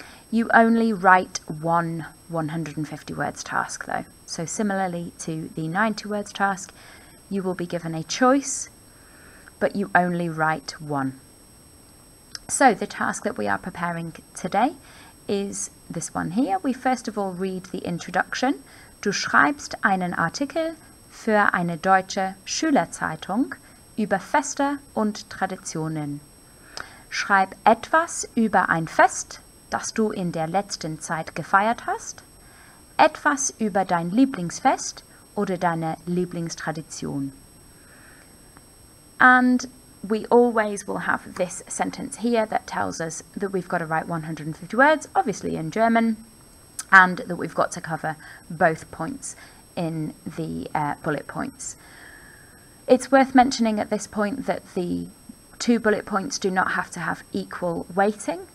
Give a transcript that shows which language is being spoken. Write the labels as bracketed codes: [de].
[en] You only write one 150 words task though. So similarly to the 90 words task, you will be given a choice, but you only write one. So the task that we are preparing today is this one here. We first of all read the introduction. [de] Du schreibst einen Artikel für eine deutsche Schülerzeitung über Feste und Traditionen. Schreib etwas über ein Fest, das du in der letzten Zeit gefeiert hast, etwas über dein Lieblingsfest oder deine Lieblingstradition. [en] And we always will have this sentence here that tells us that we've got to write 150 words, obviously in German, and that we've got to cover both points in the bullet points. It's worth mentioning at this point that the two bullet points do not have to have equal weighting.